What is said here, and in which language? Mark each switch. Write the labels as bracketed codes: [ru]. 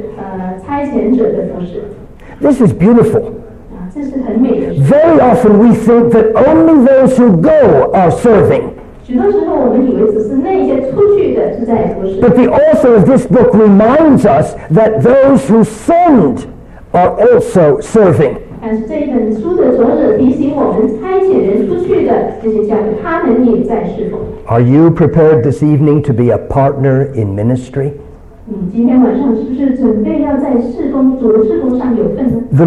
[zh] 第一个那个书的名字就是，差遣者的服饰。 [en] This is beautiful. [zh] 这是很美的。 [en] Very often we think that only those who go are serving. [zh] 许多时候我们以为只是那些出去的是在服饰。 [en] But the author of this book reminds us that those who send are also serving. [zh] 但是这本书的作者提醒我们，差遣人出去的这些教会，他们也在侍奉。 [en] Are you prepared this evening to be a partner in ministry? [zh] 你今天晚上是不是准备要在侍奉上有份呢？ [en] The